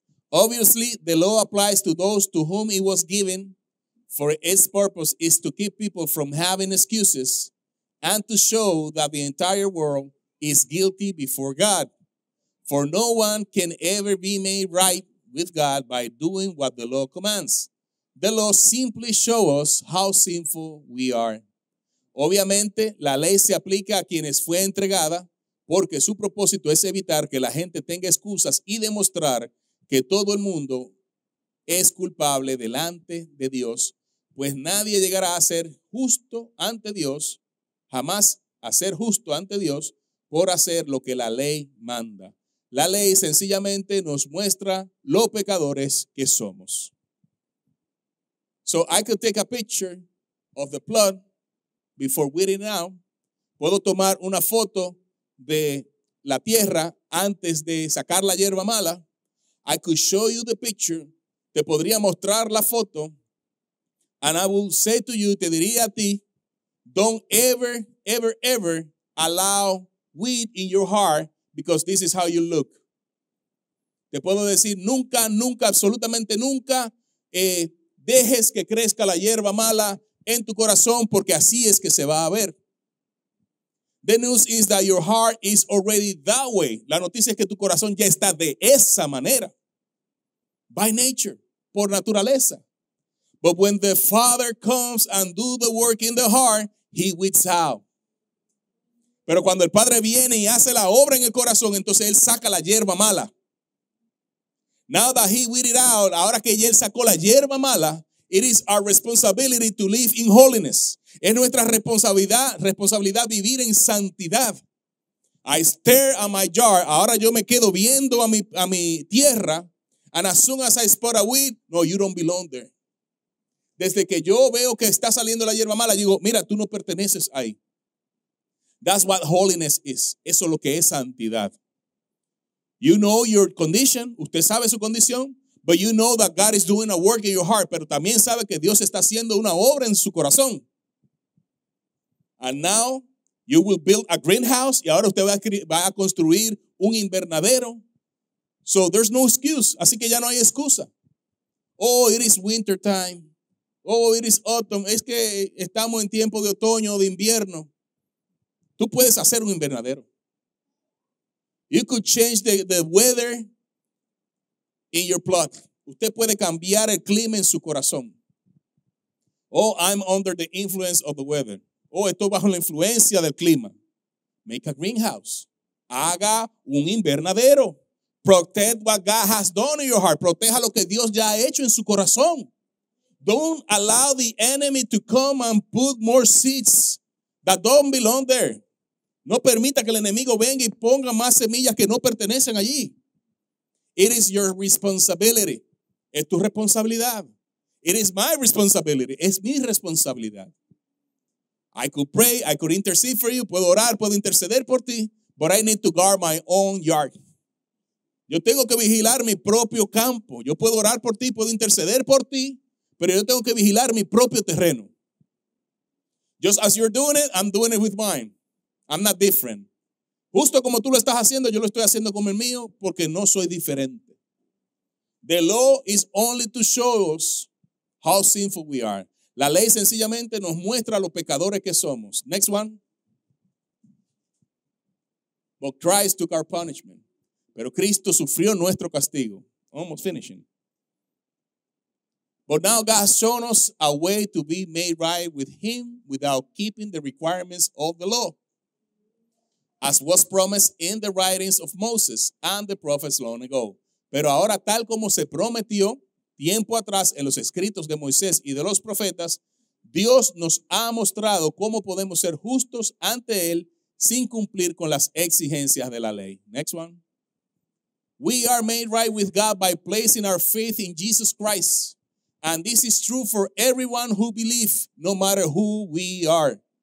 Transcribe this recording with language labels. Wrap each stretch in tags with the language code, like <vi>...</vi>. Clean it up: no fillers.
<en>Obviously, the law applies to those to whom it was given, for its purpose is to keep people from having excuses and to show that the entire world is guilty before God. For no one can ever be made right with God by doing what the law commands. The law simply shows us how sinful we are.</en> <es>Obviamente, la ley se aplica a quienes fue entregada porque su propósito es evitar que la gente tenga excusas y demostrar que todo el mundo es culpable delante de Dios, pues nadie llegará a ser justo ante Dios, jamás a ser justo ante Dios por hacer lo que la ley manda. La ley sencillamente nos muestra lo pecadores que somos.</es> <en>So I could take a picture of the blood before weeding out.</en> <es>Puedo tomar una foto de la tierra antes de sacar la hierba mala.</es> <en>I could show you the picture.</en> <es>Te podría mostrar la foto.</es> <en>And I will say to you,</en> <es>te diría a ti,</es> <en>don't ever, ever, ever allow weed in your heart because this is how you look.</en> <es>Te puedo decir, nunca, nunca, absolutamente nunca, dejes que crezca la hierba mala en tu corazón porque así es que se va a ver.</es> <en>The news is that your heart is already that way.</en> <es>La noticia es que tu corazón ya está de esa manera.</es> <en>By nature,</en> <es>por naturaleza.</es> <en>But when the Father comes and do the work in the heart, he weeds out.</en> <es>Pero cuando el Padre viene y hace la obra en el corazón, entonces él saca la hierba mala.</es> <en>Now that he weeded out,</en> <es>ahora que él sacó la hierba mala,</es> <en>it is our responsibility to live in holiness.</en> <es>Es nuestra responsabilidad vivir en santidad.</es> <en>I stare at my yard.</en> <es>Ahora yo me quedo viendo a mi tierra.</es> <en>And as soon as I spot a weed, no, you don't belong there.</en> <es>Desde que yo veo que está saliendo la hierba mala, digo, mira, tú no perteneces ahí.</es> <en>That's what holiness is.</en> <es>Eso es lo que es santidad.</es> <en>You know your condition.</en> <es>Usted sabe su condición.</es> <en>But you know that God is doing a work in your heart.</en> <es>Pero también sabe que Dios está haciendo una obra en su corazón.</es> <en>And now you will build a greenhouse.</en> <es>Y ahora usted va a construir un invernadero.</es> <en>So there's no excuse.</en> <es>Así que ya no hay excusa.</es> <en>Oh, it is winter time. Oh, it is autumn.</en> <es>Es que estamos en tiempo de otoño, de invierno. Tú puedes hacer un invernadero.</es> <en>You could change the weather in your plot.</en> <es>Usted puede cambiar el clima en su corazón.</es> <en>Oh, I'm under the influence of the weather.</en> <es>Oh, estoy bajo la influencia del clima.</es> <en>Make a greenhouse.</en> <es>Haga un invernadero.</es> <en>Protect what God has done in your heart.</en> <es>Proteja lo que Dios ya ha hecho en su corazón.</es> <en>Don't allow the enemy to come and put more seeds that don't belong there.</en> <es>No permita que el enemigo venga y ponga más semillas que no pertenecen allí.</es> <en>It is your responsibility.</en> <es>Es tu responsabilidad.</es> <en>It is my responsibility.</en> <es>Es mi responsabilidad.</es> <en>I could pray. I could intercede for you.</en> <es>Puedo orar. Puedo interceder por ti.</es> <en>But I need to guard my own yard.</en> <es>Yo tengo que vigilar mi propio campo. Yo puedo orar por ti. Puedo interceder por ti. Pero yo tengo que vigilar mi propio terreno.</es> <en>Just as you're doing it, I'm doing it with mine. I'm not different.</en> <es>Justo como tú lo estás haciendo, yo lo estoy haciendo con el mío porque no soy diferente.</es> <en>The law is only to show us how sinful we are.</en> <es>La ley sencillamente nos muestra los pecadores que somos.</es> <en>Next one. But Christ took our punishment.</en> <es>Pero Cristo sufrió nuestro castigo.</es> <en>Almost finishing. But now God has shown us a way to be made right with him without keeping the requirements of the law. As was promised in the writings of Moses and the prophets long ago.</en> <es>Pero ahora, tal como se prometió tiempo atrás en los escritos de Moisés y de los profetas, Dios nos ha mostrado cómo podemos ser justos ante Él sin cumplir con las exigencias de la ley.</es> <en>Next one. We are made right with God by placing our faith in Jesus Christ. And this is true for everyone who believes, no matter who we are.</en>